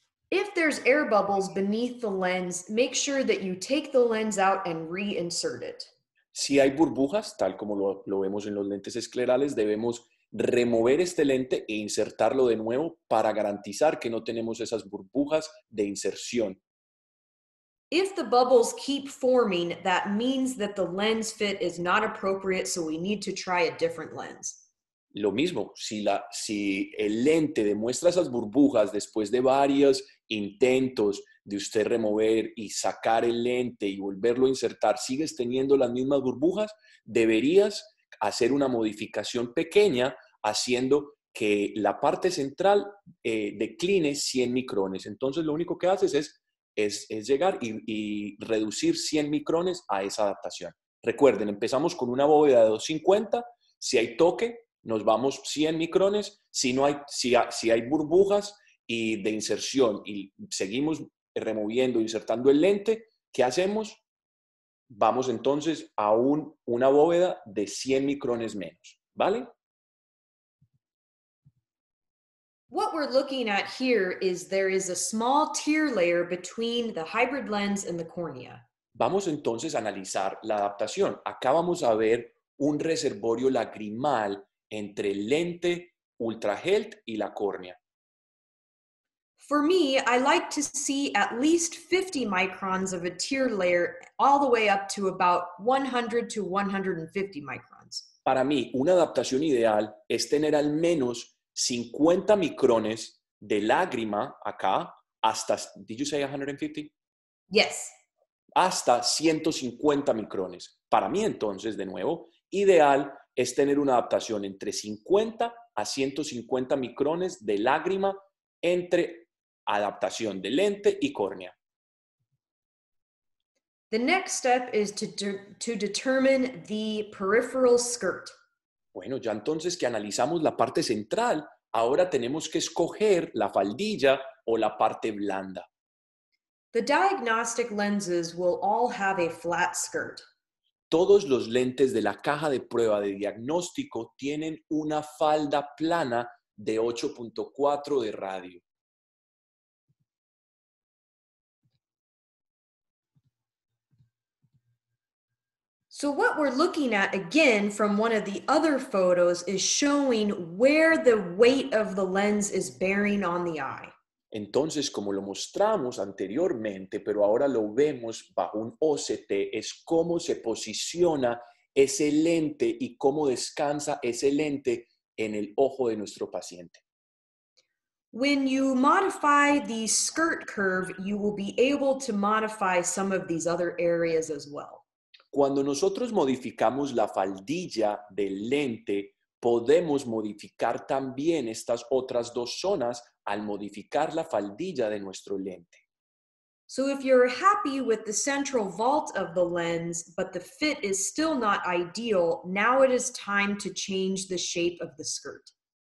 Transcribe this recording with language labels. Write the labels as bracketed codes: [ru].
[en] If there's air bubbles beneath the lens, make sure that you take the lens out and reinsert it. [es] Si hay burbujas, tal como lo vemos en los lentes esclerales, debemos remover este lente e insertarlo de nuevo para garantizar que no tenemos esas burbujas de inserción. [en] If the bubbles keep forming, that means that the lens fit is not appropriate, so we need to try a different lens. [es] Lo mismo, si el lente demuestra esas burbujas después de varios intentos de usted remover y sacar el lente y volverlo a insertar, sigues teniendo las mismas burbujas, deberías hacer una modificación pequeña haciendo que la parte central decline 100 micrones. Entonces lo único que haces es llegar y reducir 100 micrones a esa adaptación. Recuerden, empezamos con una bóveda de 250, si hay toque, nos vamos 100 micrones, si hay burbujas y de inserción y seguimos removiendo, insertando el lente, ¿qué hacemos? Vamos entonces a una bóveda de 100 micrones menos, ¿vale? [en] What we're looking at here is there is a small tear layer between the hybrid lens and the cornea. [es] Vamos entonces a analizar la adaptación. Acá vamos a ver un reservorio lagrimal entre el lente ultrahealth y la córnea. [en] For me, I like to see at least 50 microns of a tear layer all the way up to about 100 to 150 microns. [es] Para mí, una adaptación ideal es tener al menos 50 micrones de lágrima acá hasta, [en] did you say 150? Yes. [es] Hasta 150 micrones. Para mí entonces, de nuevo, ideal es tener una adaptación entre 50 a 150 micrones de lágrima entre adaptación de lente y córnea. [en] The next step is to determine the peripheral skirt. [es] Bueno, ya entonces que analizamos la parte central, ahora tenemos que escoger la faldilla o la parte blanda. [en] The diagnostic lenses will all have a flat skirt. [es] Todos los lentes de la caja de prueba de diagnóstico tienen una falda plana de 8.4 de radio. [en] So what we're looking at again from one of the other photos is showing where the weight of the lens is bearing on the eye. [es] Entonces, como lo mostramos anteriormente, pero ahora lo vemos bajo un OCT, es cómo se posiciona ese lente y cómo descansa ese lente en el ojo de nuestro paciente. [en] When you modify the skirt curve, you will be able to modify some of these other areas as well. [es] Cuando nosotros modificamos la faldilla del lente, podemos modificar también estas otras dos zonas al modificar la faldilla de nuestro lente. [en] So if you're happy with the central vault of the lens, but the fit is still not ideal, now it is time to change the shape of the skirt.